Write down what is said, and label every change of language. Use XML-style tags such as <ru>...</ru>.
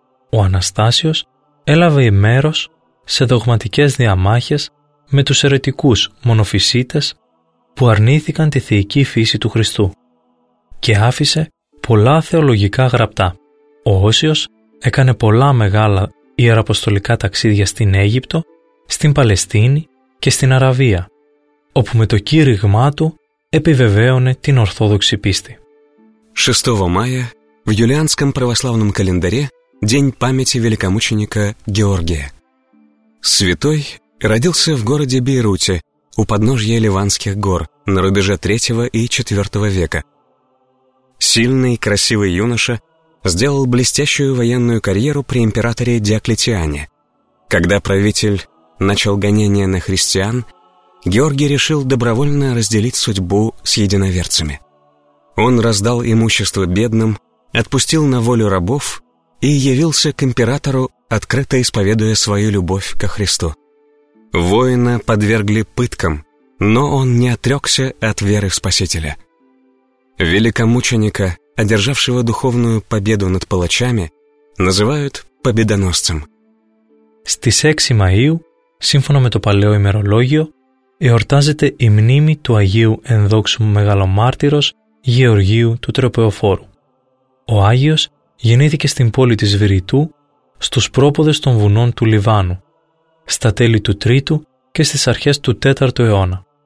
<el>Ο Αναστάσιος έλαβε μέρος σε δογματικές διαμάχες με τους αιρετικούς μονοφυσίτες που αρνήθηκαν τη θεϊκή φύση του Χριστού και άφησε πολλά θεολογικά γραπτά. Ο Όσιος έκανε πολλά μεγάλα ιεραποστολικά ταξίδια στην Αίγυπτο, στην Παλαιστίνη και στην Αραβία, όπου με το κήρυγμά του επιβεβαίωνε την Ορθόδοξη πίστη. 6 Μάια,</el> <ru>в юлианском православном календаре, день памяти великомученика Георгия. Святой родился в городе Бейруте, у подножья Ливанских гор, на рубеже 3 и 4 века. Сильный и красивый юноша сделал блестящую военную карьеру при императоре Диоклетиане. Когда правитель начал гонения на христиан, Георгий решил добровольно разделить судьбу с единоверцами. Он раздал имущество бедным, отпустил на волю рабов и явился к императору, открыто исповедуя свою любовь ко Христу. Воина подвергли пыткам, но он не отрекся от веры в Спасителя. Великомученика, одержавшего духовную победу над палачами, называют победоносцем.</ru> <el>Στις 6 Μαΐου, σύμφωνα με το παλαιό ημερολόγιο, εορτάζεται η μνήμη του Αγίου ενδόξου μεγαλομάρτυρος Γεωργίου του Τροπεοφόρου. Ο Άγιος γεννήθηκε στην πόλη της Βηρητού, στους πρόποδες των βουνών του Λιβάνου, στα τέλη του 3ου και στις αρχές του 4ου αιώνα.</el>